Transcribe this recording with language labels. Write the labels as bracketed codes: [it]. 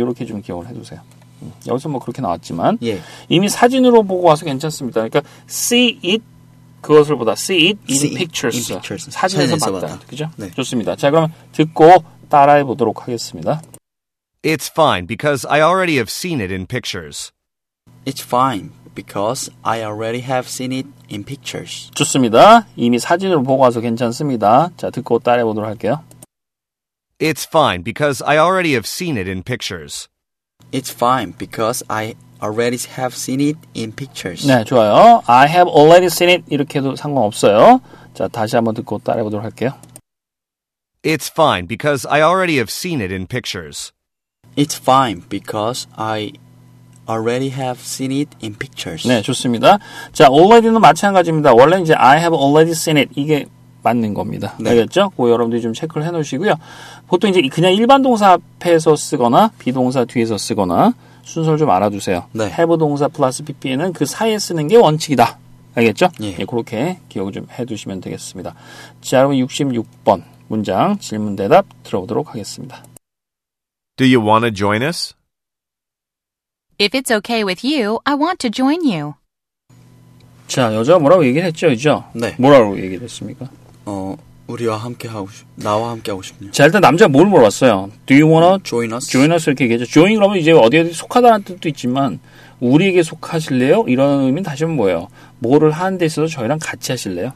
[ko] 요렇게 좀 기억을 해 주세요. 여기서 뭐 그렇게 나왔지만 예. 이미 사진으로 보고 와서 괜찮습니다. 그러니까 [en] see it [ko] 그것을 보다 [en] see it in see pictures. In pictures. [ko] 사진에서 봤다. 그죠? 네. 좋습니다. 자, 그럼 듣고 따라해 보도록 하겠습니다. [en] It's fine because I already have seen it in pictures. It's fine. Because I already have seen it in pictures. [ko] 좋습니다. 이미 사진으로 보고 와서 괜찮습니다. 자, 듣고 따라해 보도록 할게요. [en] It's fine because I already have seen it in pictures. It's fine because I already have seen it in pictures. [ko] 네, 좋아요. [en] I have already seen it [ko] 이렇게도 상관없어요. 자, 다시 한번 듣고 따라해 보도록 할게요. [en] It's fine because I already have seen it in pictures. It's fine because I already have seen it in pictures. [ko] 네, 좋습니다. 자, already는 마찬가지입니다. 원래 이제 [en] I have already seen it [ko] 이게 맞는 겁니다. 네. 알겠죠? 그거 여러분들이 좀 체크를 해놓으시고요. 보통 이제 그냥 일반 동사 앞에서 쓰거나 비동사 뒤에서 쓰거나 순서를 좀 알아두세요. 네. Have 동사 플러스 PP는 그 사이에 쓰는 게 원칙이다. 알겠죠? 예. 예, 그렇게 기억을 좀 해두시면 되겠습니다. 자, 여러분 66번 문장 질문 대답 들어보도록 하겠습니다. [en] Do you want to join us? If it's okay with you, I want to join you. [ko] 자, 여자가 뭐라고 얘기를 했죠, 그죠? 네. 뭐라고 얘기를 했습니까? 우리와 함께 하고 싶, 나와 함께 하고 싶네요. 자, 일단 남자가 뭘 물어봤어요? [en] Do you wanna join us? Join us [ko] 이렇게 얘기했죠. Join 그러면 이제 어디 어디 속하다는 뜻도 있지만 우리에게 속하실래요? 이런 의미는 다시 한번 뭐예요? 뭐를 하는 데 있어서 저희랑 같이 하실래요?